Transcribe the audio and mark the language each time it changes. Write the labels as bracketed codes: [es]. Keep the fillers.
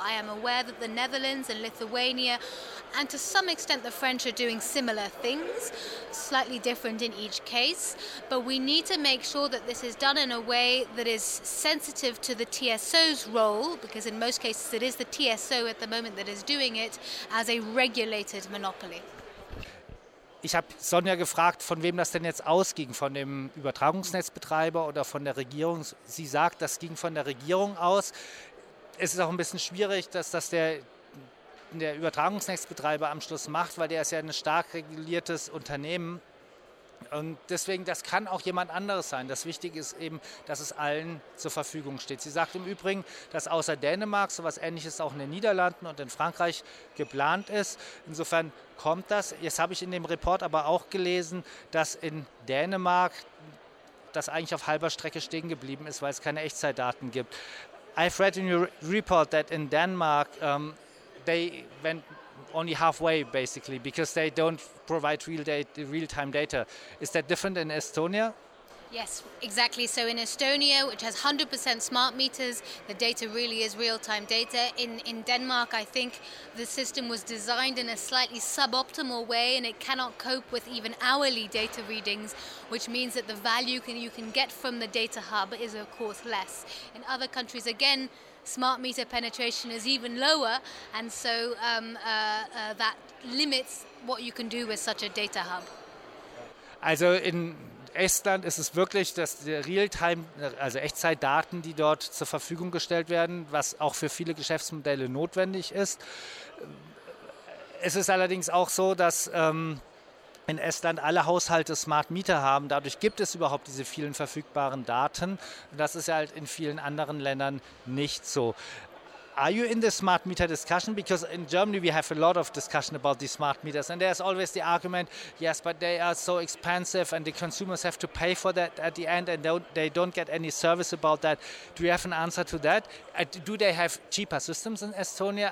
[en] I am aware that the Netherlands and Lithuania, and to some extent the French, are doing similar things, slightly different in each case. But we need to make sure that this is done in a way that is sensitive to the TSO's role, because in most cases it is the TSO at the moment that is doing it as a regulated monopoly. [de] ich habe Sonja gefragt, von wem das denn jetzt ausging, von dem Übertragungsnetzbetreiber oder von der Regierung. Sie sagt, das ging von der Regierung aus. Es ist auch ein bisschen schwierig, dass das der, der Übertragungsnetzbetreiber am Schluss macht, weil der ist ja ein stark reguliertes Unternehmen. Und deswegen, das kann auch jemand anderes sein. Das Wichtige ist eben, dass es allen zur Verfügung steht. Sie sagt im Übrigen, dass außer Dänemark sowas Ähnliches auch in den Niederlanden und in Frankreich geplant ist. Insofern kommt das. Jetzt habe ich in dem Report aber auch gelesen, dass in Dänemark das eigentlich auf halber Strecke stehen geblieben ist, weil es keine Echtzeitdaten gibt. [en] I've read in your report that in Denmark um, they went only halfway basically because they don't provide real data, real-time data. Is that different in Estonia? Yes, exactly. So in Estonia, which has 100% smart meters, the data really is real time data. In, in Denmark, I think the system was designed in a slightly suboptimal way and it cannot cope with even hourly data readings, which means that the value can, you can get from the data hub is, of course, less. In other countries, again, smart meter penetration is even lower, and so um, uh, uh, that limits what you can do with such a data hub. [de] Also in Estland ist es wirklich, dass die Realtime, also Echtzeitdaten, die dort zur Verfügung gestellt werden, was auch für viele Geschäftsmodelle notwendig ist. Es ist allerdings auch so, dass ähm, in Estland alle Haushalte Smart Mieter haben. Dadurch gibt es überhaupt diese vielen verfügbaren Daten. Und das ist halt in vielen anderen Ländern nicht so. [en] are you in the smart meter discussion? Because in Germany we have a lot of discussion about these smart meters, and there's always the argument, yes, but they are so expensive, and the consumers have to pay for that at the end, and don't, they don't get any service about that. Do you have an answer to that? Do they have cheaper systems in Estonia?